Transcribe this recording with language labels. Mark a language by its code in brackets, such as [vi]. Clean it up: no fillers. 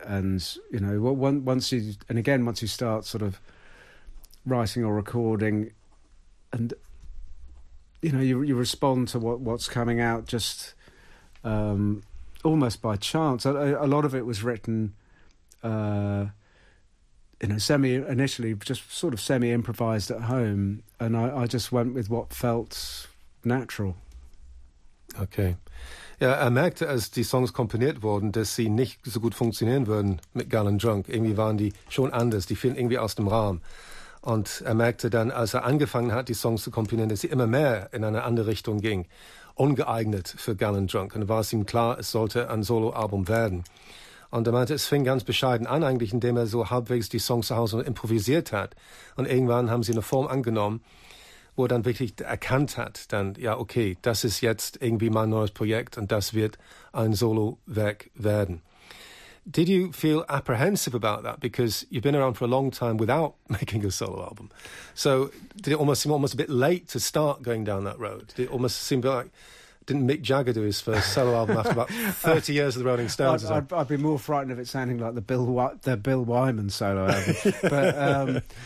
[en] And you know, once you start sort of writing or recording, and you know, you respond to what's coming out just almost by chance. A lot of it was written, semi improvised at home, and I just went with what felt natural. Okay. [de] Ja, er merkte, als die Songs komponiert wurden, dass sie nicht so gut funktionieren würden mit Gal & Drunk. Irgendwie waren die schon anders, die fielen irgendwie aus dem Rahmen. Und er merkte dann, als er angefangen hat, die Songs zu komponieren, dass sie immer mehr in eine andere Richtung ging. Ungeeignet für Gal & Drunk. Und war es ihm klar, es sollte ein Soloalbum werden. Und er meinte, es fing ganz bescheiden an eigentlich, indem er so halbwegs die Songs zu Hause improvisiert hat. Und irgendwann haben sie eine Form angenommen, wo er dann wirklich erkannt hat, dann, ja, okay, das ist jetzt irgendwie mein neues Projekt und das wird ein Solo-Werk werden. [en] Did you feel apprehensive about that? Because you've been around for a long time without making a solo album. So did it almost seem almost a bit late to start going down that road? Did it almost seem like, didn't Mick Jagger do his first solo album after about 30 years of the Rolling Stones? I'd be more frightened of it sounding like the Bill Wyman solo album.